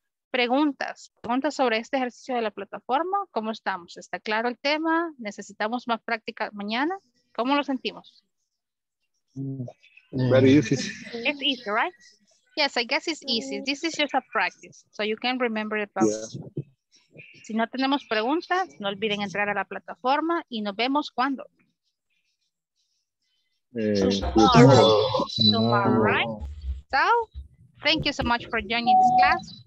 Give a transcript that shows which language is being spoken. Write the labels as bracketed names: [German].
[Spanish] Preguntas. Preguntas sobre este ejercicio de la plataforma. ¿Cómo estamos? ¿Está claro el tema? ¿Necesitamos más práctica mañana? ¿Cómo lo sentimos? [English] Very easy. It's easy, right? Yes, I guess it's easy. This is just a practice, so you can remember it. Yeah. [Spanish] Si no tenemos preguntas, no olviden entrar a la plataforma y nos vemos cuando. [English] Tomorrow. Right? So, thank you so much for joining this class.